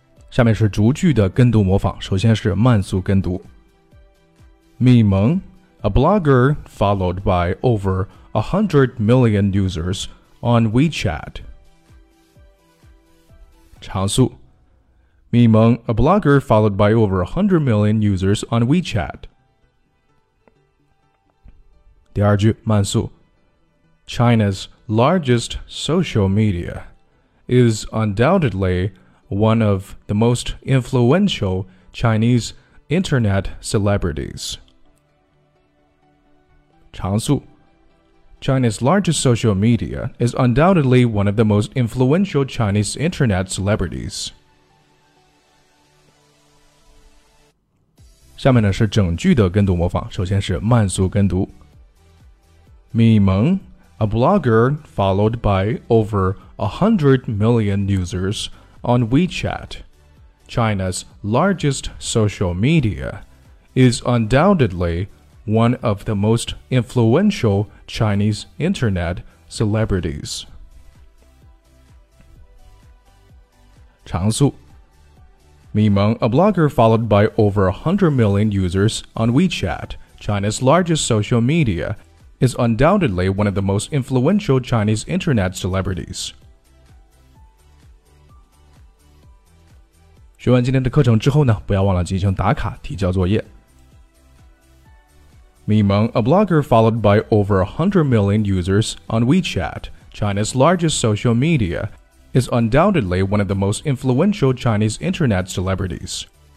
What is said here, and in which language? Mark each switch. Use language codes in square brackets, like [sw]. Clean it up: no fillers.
[zh] 下面是逐句的跟读模仿，首先是慢速跟读。 [en] Mi Meng, a blogger followed by over 100 million users on WeChat. [zh] 长速。 [en] Mi Meng, a blogger followed by over 100 million users on WeChat. [zh] 第二句慢速。 [en] China's largest social media is undoubtedly one of the most influential Chinese internet celebrities. [zh] 长速。 [en] China's largest social media is undoubtedly one of the most influential Chinese internet celebrities. [zh] 下面呢是整句的跟读模仿，首先是慢速跟读。Mi Meng, [en] A blogger followed by over 100 million users on WeChat, China's largest social media, is undoubtedly one of the most influential Chinese internet celebrities. [zh] 常数 [en] 咪蒙 a blogger followed by over 100 million users on WeChat, China's largest social media, is undoubtedly one of the most influential Chinese internet celebrities. [zh] 学完今天的课程之后呢，不要忘了进行打卡提交作业。 [en] 咪蒙 a blogger followed by over 100 million users on WeChat, China's largest social media, is undoubtedly one of the most influential Chinese internet celebrities.